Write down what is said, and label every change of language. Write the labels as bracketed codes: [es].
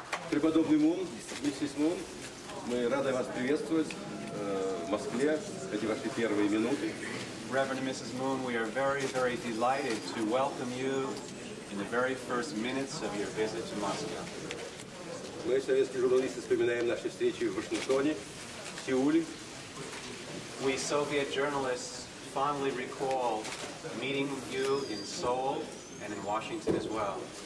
[ru] Преподобный Мун, миссис Мун, мы рады вас приветствовать в Москве, эти ваши первые минуты. [en] Reverend and Mrs. Moon, we are very, very delighted to welcome you in the very first minutes of your visit to Moscow. [ru] Мы, советские журналисты, вспоминаем наши встречи в Вашингтоне, в Сеуле. [en] We Soviet journalists fondly recall meeting you in Seoul and in Washington as well.